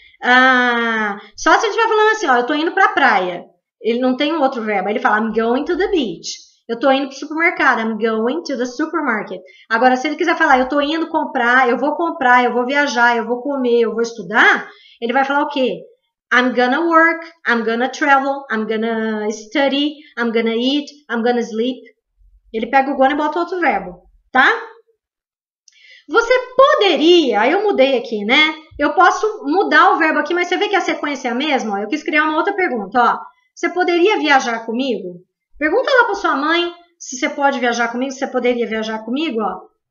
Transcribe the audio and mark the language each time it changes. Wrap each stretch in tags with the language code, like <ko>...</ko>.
<pt>Ah, só se ele estiver falando assim, ó, eu estou indo para a praia. Ele não tem um outro verbo. Ele fala,</pt> <en>I'm going to the beach.</en> <pt>Eu estou indo para o supermercado.</pt> <en>I'm going to the supermarket.</en> <pt>Agora, se ele quiser falar, eu estou indo comprar, eu vou comprar, eu vou viajar, eu vou comer, eu vou estudar, ele vai falar o quê?</pt> <en>I'm gonna work, I'm gonna travel, I'm gonna study, I'm gonna eat, I'm gonna sleep.</en> <pt>Ele pega o gonna e bota outro verbo, tá? Você poderia, aí eu mudei aqui, né? Eu posso mudar o verbo aqui, mas você vê que a sequência é a mesma? Eu quis criar uma outra pergunta, ó. Você poderia viajar comigo? Pergunta lá para sua mãe se você pode viajar comigo, se você poderia viajar comigo, ó.</pt>